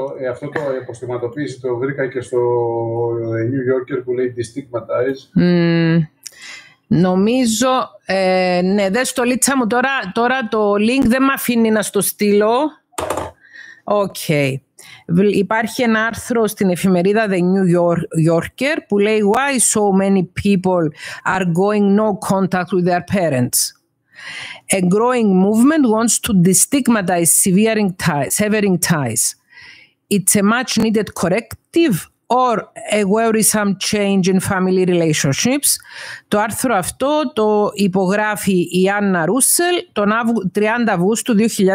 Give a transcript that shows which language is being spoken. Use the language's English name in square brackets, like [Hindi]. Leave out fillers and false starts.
[Greek] Αυτό το υποστηματοποίηση το βρήκα και στο New Yorker που λέει destigmatize. Νομίζω, ναι, δες το Λίτσα μου τώρα, τώρα το link δεν με αφήνει να στο στείλω. [English] Okay. [Greek] Υπάρχει ένα άρθρο στην εφημερίδα The New Yorker που λέει [English] «Why so many people are going no contact with their parents? A growing movement wants to destigmatize severing ties. It's a much needed corrective or a worrisome change in family relationships». [Greek] Το άρθρο αυτό το υπογράφει η Άννα Ρούσελ τον 30 Αυγούστου 2024.